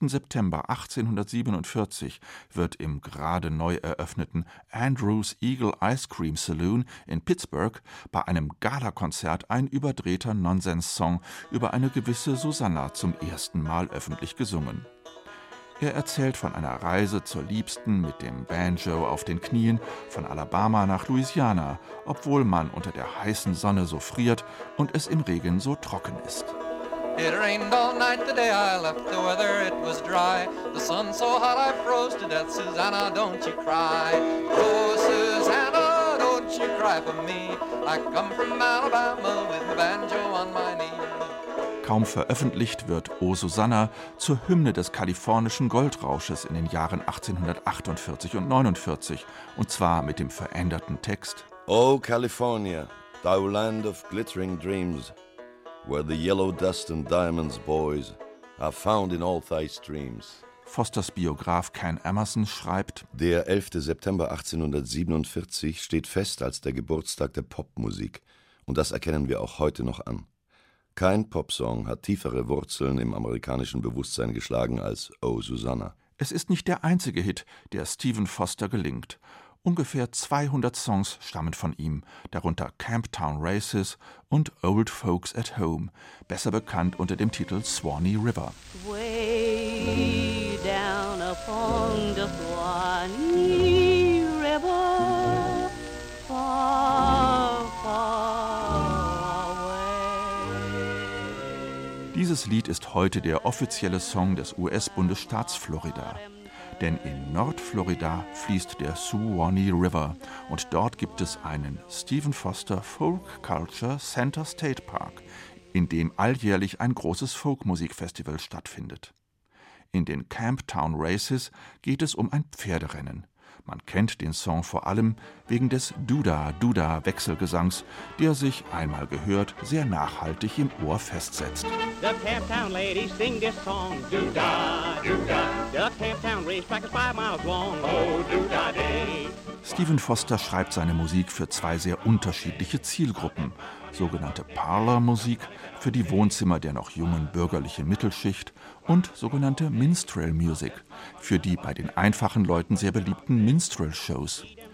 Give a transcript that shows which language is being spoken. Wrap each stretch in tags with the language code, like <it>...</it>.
<de>September 1847 wird im gerade neu eröffneten Andrew's Eagle Ice Cream Saloon in Pittsburgh bei einem Galakonzert ein überdrehter Nonsens-Song über eine gewisse Susanna zum ersten Mal öffentlich gesungen. Er erzählt von einer Reise zur Liebsten mit dem Banjo auf den Knien von Alabama nach Louisiana, obwohl man unter der heißen Sonne so friert und es im Regen so trocken ist.</de> <en>It rained all night the day I left, the weather it was dry. The sun so hot I froze to death, Susanna, don't you cry. Oh, Susanna, don't you cry for me. I come from Alabama with my banjo on my knee.</en> <de>Kaum veröffentlicht wird O Susanna zur Hymne des kalifornischen Goldrausches in den Jahren 1848 und 49, und zwar mit dem veränderten Text.</de> <en>Oh, California, thou land of glittering dreams, where the yellow dust and diamonds, boys, are found in all thy streams.</en> <de>Fosters Biograf Ken Emerson schreibt, der 11. September 1847 steht fest als der Geburtstag der Popmusik, und das erkennen wir auch heute noch an. Kein Popsong hat tiefere Wurzeln im amerikanischen Bewusstsein geschlagen als O Susanna. Es ist nicht der einzige Hit, der Stephen Foster gelingt. Ungefähr 200 Songs stammen von ihm, darunter Camptown Races und Old Folks at Home, besser bekannt unter dem Titel Swanee River.</de> <en>Way down upon the Swanee River, far, far away.</en> <de>Dieses Lied ist heute der offizielle Song des US-Bundesstaats Florida. Denn in Nordflorida fließt der Suwannee River und dort gibt es einen Stephen Foster Folk Culture Center State Park, in dem alljährlich ein großes Folkmusikfestival stattfindet. In den Camptown Races geht es um ein Pferderennen. Man kennt den Song vor allem wegen des Duda-Duda-Wechselgesangs, der sich, einmal gehört, sehr nachhaltig im Ohr festsetzt.</de> <en>The Camptown ladies sing this song, Duda, Duda. The Camptown racetrack is 5 miles long, oh, Duda day.</en> <de>Stephen Foster schreibt seine Musik für zwei sehr unterschiedliche Zielgruppen. Sogenannte Parlor-Musik für die Wohnzimmer der noch jungen bürgerlichen Mittelschicht und sogenannte Minstrel-Musik für die bei den einfachen Leuten sehr beliebten Minstrel-Shows.</de>